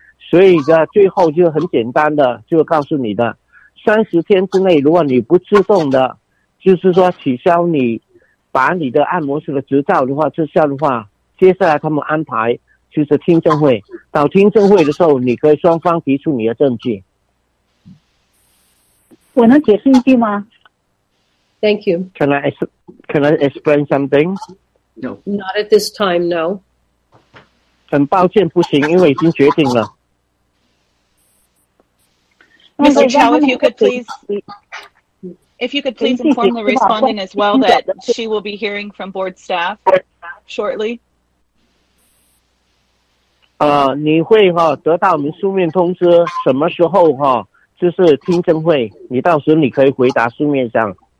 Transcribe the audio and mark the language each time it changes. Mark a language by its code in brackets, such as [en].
[zh] 所以呢，最后就很简单的，就告诉你的，30天之内，如果你不自动的，就是说取消你，把你的按摩师的执照的话撤销的话，接下来他们安排就是听证会，到听证会的时候，你可以双方提出你的证据。我能解释一句吗 [en] ？Thank you. Can I explain something? No. Not at this time. No. [zh] 很抱歉，不行，因为已经决定了。 [en] Mr. Chow, if you could please inform the respondent as well that she will be hearing from board staff shortly. [zh] 你会哈得到我们书面通知，什么时候哈就是听证会，你到时你可以回答书面上。